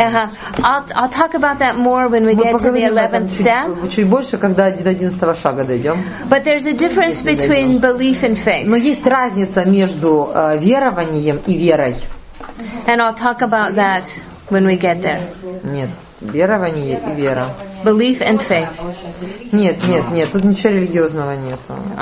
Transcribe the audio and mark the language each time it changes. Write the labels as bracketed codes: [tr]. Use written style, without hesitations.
[en] I'll talk about that more when we get to the 11th step. [ru] Чуть больше, когда до 11 шага дойдем. [en] But there's a difference between belief and faith. [ru] Но есть разница между верованием и верой. [en] And I'll talk about that when we get there. [ru] Нет, верование и вера. [en] Belief and faith. [ru] Нет, тут ничего религиозного нету.